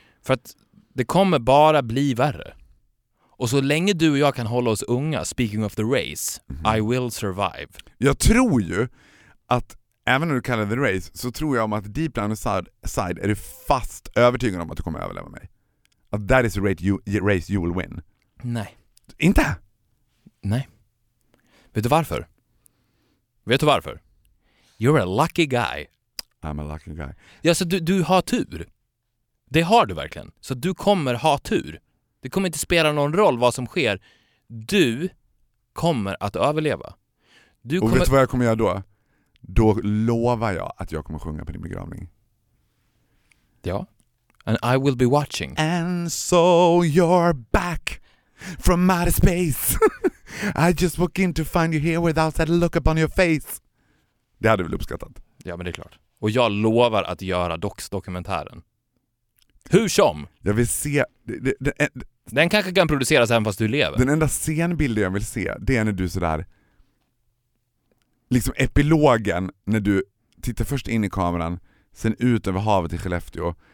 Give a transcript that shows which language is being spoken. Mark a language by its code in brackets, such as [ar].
[sv] För att det kommer bara bli värre. Och så länge du och jag kan hålla oss unga, [en] speaking of the race, mm-hmm, I will survive. [sv] Jag tror ju att även när du kallar [en] the race, [sv] så tror jag om att [en] deep down inside [sv] är du fast övertygad om att du kommer överleva mig. Att [en] that is the race you will win. [sv] Nej. Inte? Nej. Vet du varför? [en] You're a lucky guy. I'm a lucky guy. [sv] Ja, så du har tur. Det har du verkligen. Så du kommer ha tur. Det kommer inte spela någon roll vad som sker. Du kommer att överleva. Och vet du vad jag kommer göra då? Då lovar jag att jag kommer sjunga på din begravning. Ja. [en] And I will be watching. And so you're back from outer space. I just walk in to find you here without that look upon your face. [sv] Det hade du väl uppskattat? Ja, men det är klart. Och jag lovar att göra dokumentären. Hur som? Jag vill se... Den kanske kan produceras även fast du lever. Den enda scenbilden jag vill se, det är när du sådär... Liksom epilogen, när du tittar först in i kameran, sen ut över havet i Skellefteå.